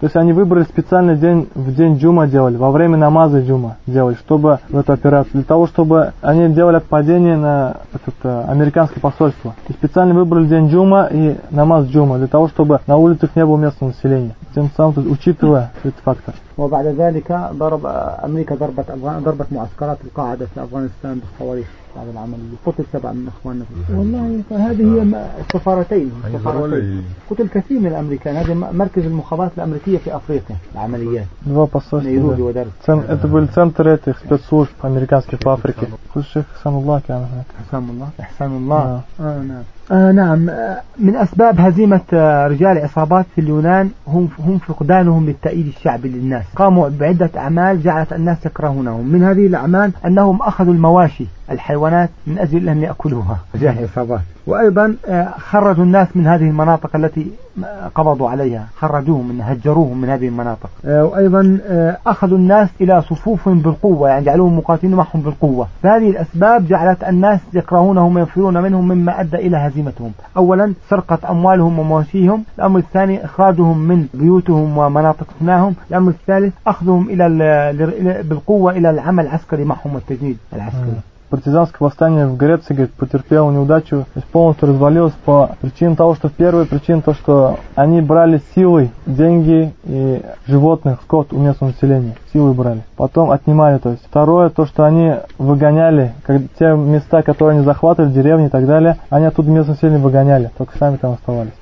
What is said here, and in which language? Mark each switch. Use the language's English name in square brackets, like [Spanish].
[Russian] То есть они выбрали специальный день, в день джума делали, во время намаза джума делали, чтобы в эту операцию, для того, чтобы они делали отпадение на американское посольство. И специально выбрали день джума и намаз джума, для того, чтобы на улицах не было местного населения. Тем самым, учитывая этот фактор. [Arabic] وبعد ذلك ضرب أمريكا ضربت ضربت معسكرات القاعدة في أفغانستان بالصواريخ بعد العملية قتل 7 من إخواننا في والله فهذه هي السفارتين قتل كثير من الأمريكان هذا مركز المخابرات الأمريكية في أفريقيا العمليات [Russian] два посольства Найроби и Дар ас-Салам это были центры этих спецслужб американских по Африке [Arabic] خشيك حسام الله كان هناك حسام الله أحسن الله نعم من أسباب هزيمة رجال عصابات في اليونان هم فقدانهم للتأييد الشعبي للناس قاموا بعدة أعمال جعلت الناس يكرهونهم من هذه الأعمال أنهم أخذوا المواشي الحيوانات من أجل أن يأكلوها رجال عصابات وأيضا خرجوا الناس من هذه المناطق التي قبضوا عليها خرجوهم من هجروهم من هذه المناطق وأيضا أخذوا الناس إلى صفوفهم بالقوة يعني جعلوهم مقاتلين معهم بالقوة فهذه الأسباب جعلت الناس يكرهونهم وينفرون منهم مما أدى إلى هزيمتهم أولا سرقة أموالهم ومواشيهم الأمر الثاني إخراجهم من بيوتهم ومناطق سكنهم الأمر الثالث أخذهم إلى بالقوة إلى العمل العسكري معهم والتجنيد العسكري [Russian] партизанское восстание в Греции, говорит, потерпело неудачу, то есть полностью развалилось по причине того, что первая причина то, что они брали силой деньги и животных, скот у местного населения, силой брали. Потом отнимали, то есть. Второе, то, что они выгоняли как, те места, которые они захватывали, деревни и так далее, они оттуда местного населения выгоняли, только сами там оставались.